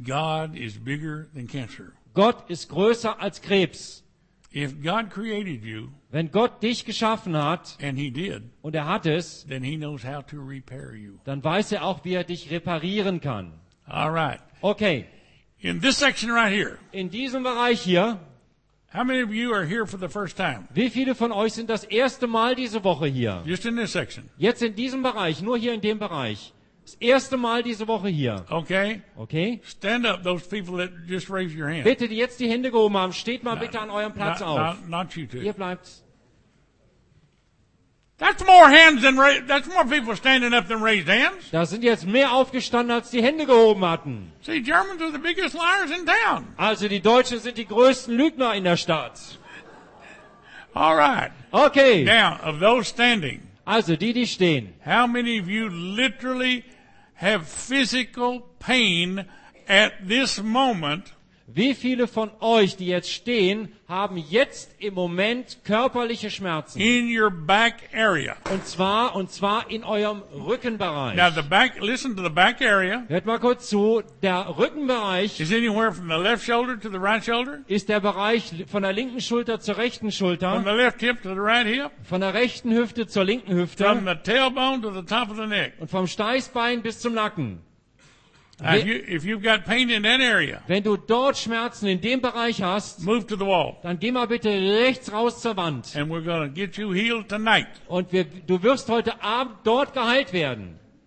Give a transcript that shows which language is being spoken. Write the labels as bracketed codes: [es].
[en] God is bigger than cancer. [de] Gott ist größer als Krebs. [en] If God created you, [de] wenn Gott dich geschaffen hat, [en] and he did, [de] und er hat es, [en] then he knows how to repair you. [de] Dann weiß er auch, wie er dich reparieren kann. [en] All right. [de] Okay. [en] In this section right here. [de] In diesem Bereich hier. [en] How many of you are here for the first time? [de] Wie viele von euch sind das erste Mal diese Woche hier? [en] Just in this section. [de] Jetzt in diesem Bereich, nur hier in dem Bereich. Das erste Mal diese Woche hier. [en] Okay. [de] Okay. [en] Stand up, those people that just raised your hand. [de] Bitte, die jetzt die Hände gehoben haben, steht mal bitte an eurem Platz auf. [en] Not you two. [de] Ihr bleibt. [en] That's more people standing up than raised hands. [de] Da sind jetzt mehr aufgestanden, als die Hände gehoben hatten. [en] See, Germans are the biggest liars in town. [de] Also, die Deutschen sind die größten Lügner in der Stadt. [en] All right. [de] Okay. [en] Now, of those standing. [de] Also, die stehen. [en] How many of you literally have physical pain at this moment? [de] Wie viele von euch, die jetzt stehen, haben jetzt im Moment körperliche Schmerzen? [en] In your back area. [de] Und zwar in eurem Rückenbereich. [en] Now the back, listen to the back area. [de] Hört mal kurz zu, der Rückenbereich. [en] Is anywhere from the left shoulder to the right shoulder? [de] Ist der Bereich von der linken Schulter zur rechten Schulter? [en] From the left hip to the right hip? [de] Von der rechten Hüfte zur linken Hüfte? [en] From the tailbone to the top of the neck. [de] Und vom Steißbein bis zum Nacken. [en] If you've got pain in that area, [de] wenn du dort Schmerzen in dem Bereich hast, [en] move to the wall. [de] Dann geh mal bitte rechts raus zur Wand. [en] And we're gonna get you healed tonight. [de] Und du wirst heute Abend dort geheilt werden.